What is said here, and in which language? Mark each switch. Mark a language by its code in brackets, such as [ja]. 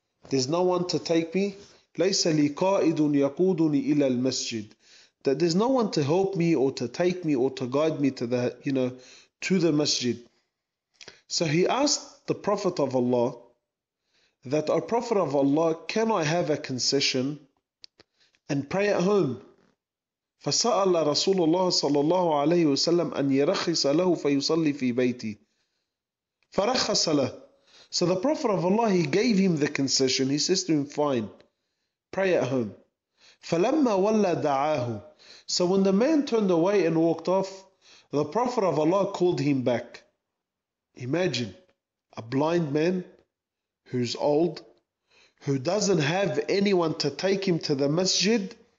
[en] There's no one to take me. [ar] لَيْسَ لِي قَائِدٌ يَقُودُنِي إِلَى الْمَسْجِدِ [en] That there's no one to help me or to take me or to guide me to the, you know, to the masjid. So he asked the Prophet of Allah that, O Prophet of Allah, can I have a concession and pray at home? [ar] فَسَأَلَ رَسُولُ اللَّهِ صَلَى اللَّهُ عَلَيْهِ وَسَلَّمْ أَنْ يَرَخِّسَ لَهُ فَيُصَلِّ فِي بَيْتِي فَرَخَّسَ لَهُ [en] So the Prophet of Allah, he gave him the concession. He says to him, fine, pray at home. [ar] فَلَمَّا وَلَّ دَعَاهُ [en] So when the man turned away and walked off, the Prophet of Allah called him back. Imagine a blind man who's old, who doesn't have anyone to take him to the masjid.